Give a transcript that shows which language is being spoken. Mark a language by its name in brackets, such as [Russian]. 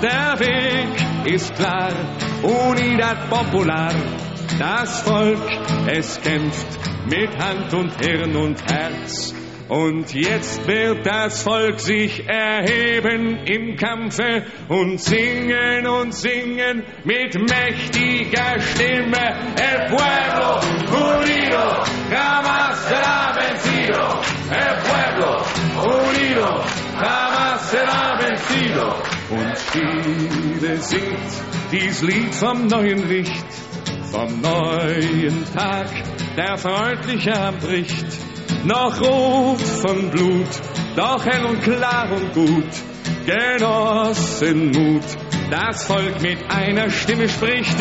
[German] Der Weg ist klar, Unidad Popular, das Volk, es kämpft mit Hand und Hirn und Herz. Und jetzt wird das Volk sich erheben im Kampfe und singen mit mächtiger Stimme. [Spanish] El pueblo unido jamás será vencido. El pueblo unido jamás será vencido. [German] Und Chile singt dies Lied vom neuen Licht, vom neuen Tag, der freundlich anbricht. Noch rot von Blut, doch hell und klar und gut. Genossenmut, das Volk mit einer Stimme spricht.